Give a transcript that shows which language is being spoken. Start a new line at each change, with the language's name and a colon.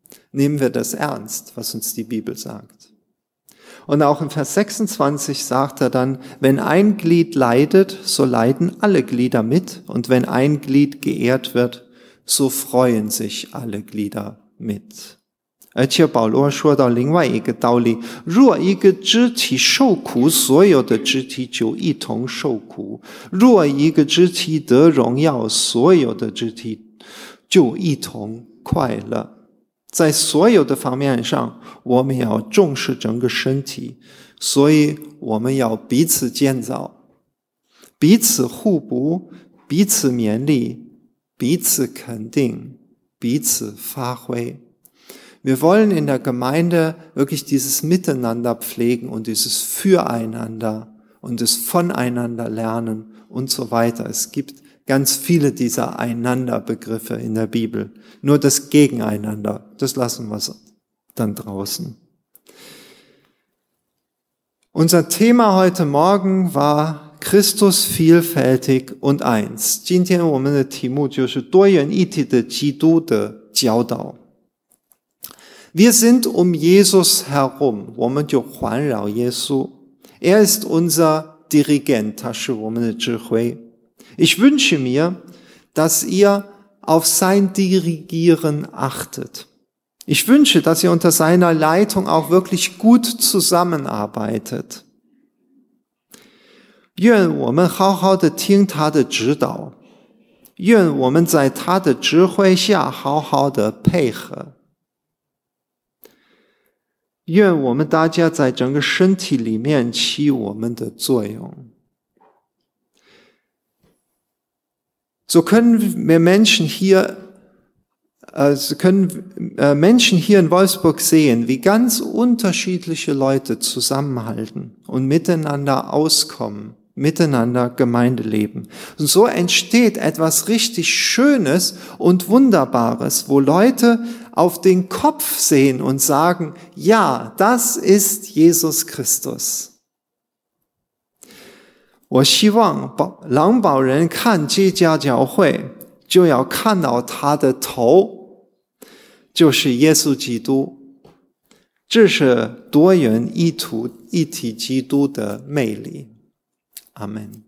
German: Nehmen wir das ernst, was uns die Bibel sagt. Und auch in Vers 26 sagt er dann, wenn ein Glied leidet, so leiden alle Glieder mit, und wenn ein Glied geehrt wird, so freuen sich alle Glieder mit.
Chinese: 而且保罗说到另外一个道理，若一个肢体受苦，所有的肢体就一同受苦，若一个肢体得荣耀，所有的肢体就一同快乐。在所有的方面上，我们要重视整个身体，所以我们要彼此建造，彼此互补，彼此勉励，彼此肯定，彼此发挥。
German: Wir wollen in der Gemeinde wirklich dieses Miteinander pflegen und dieses Füreinander und das Voneinander lernen und so weiter. Es gibt ganz viele dieser Einanderbegriffe in der Bibel. Nur das Gegeneinander, das lassen wir dann draußen. Unser Thema heute Morgen war Christus vielfältig und eins.
Chinese: 今天我们的题目就是多元一体的基督的教导。
German: Wir sind um Jesus herum.
Chinese: 我们就环绕耶稣。
German: Er ist unser Dirigent.
Chinese: 他是我们的指挥。
German: Ich wünsche mir, dass ihr auf sein Dirigieren achtet. Ich wünsche, dass ihr unter seiner Leitung auch wirklich gut zusammenarbeitet.
Chinese: 愿我们好好地听他的指导, 愿我们在他的指挥下好好地配合, 愿我们大家在整个身体里面起我们的作用。
German: So können wir Menschen hier in Wolfsburg sehen, wie ganz unterschiedliche Leute zusammenhalten und miteinander auskommen, miteinander Gemeinde leben. Und so entsteht etwas richtig Schönes und Wunderbares, wo Leute auf den Kopf sehen und sagen, ja, das ist Jesus Christus.
Chinese: 我希望狼堡人看这家教会，就要看到他的头，就是耶稣基督。这是多元一体基督的魅力。阿门。